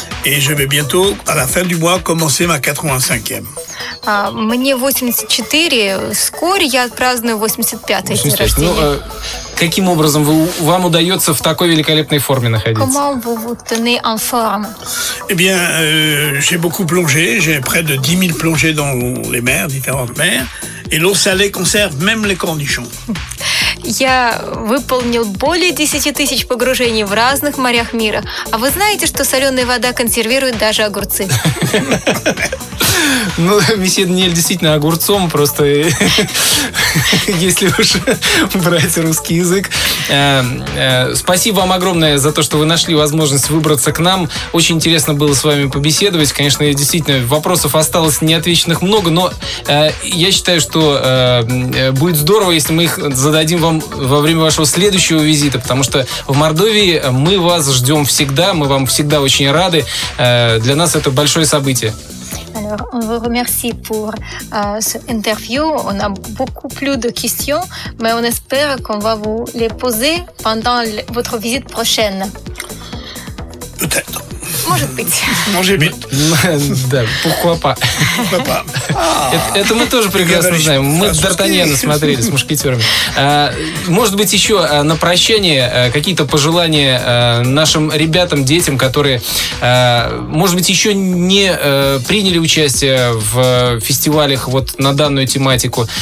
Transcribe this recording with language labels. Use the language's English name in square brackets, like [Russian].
[French] Et je vais bientôt, à la fin du mois, commencer ma 85e. [Russian] Мне 84. Вскоре я отпраздную 85-й день рождения. Каким образом вам удается в такой великолепной форме находиться? [French] Comment vous vous tenez en forme? Eh bien, j'ai beaucoup plongé. J'ai près de 10 000 plongées dans les mers, différentes mers. Et l'eau salée conserve même les cornichons. [Russian] Я выполнил более 10 тысяч погружений в разных морях мира. А вы знаете, что соленая вода консервирует даже огурцы? Ну, месье Даниэль действительно огурцом, просто если уж брать русский язык. Спасибо вам огромное за то, что вы нашли возможность выбраться к нам. Очень интересно было с вами побеседовать. Конечно, действительно, вопросов осталось неотвеченных много, но я считаю, что будет здорово, если мы их зададим вам во время вашего следующего визита, потому что в Мордовии мы вас ждем всегда, мы вам всегда очень рады. Для нас это большое событие. [French] Alors, on vous remercie pour ce interview. On a beaucoup plus de questions, mais on espère qu'on va vous les poser pendant votre visite prochaine. Peut-être. [Russian] Может быть. Может быть. Да, [French] pourquoi pas. [Russian] Это мы тоже прекрасно знаем. Мы с Д'Артаньяна смотрели, с мушкетерами. Может быть, еще на прощание какие-то пожелания нашим ребятам, детям, которые, может быть, еще не приняли участие в фестивалях вот на данную тематику.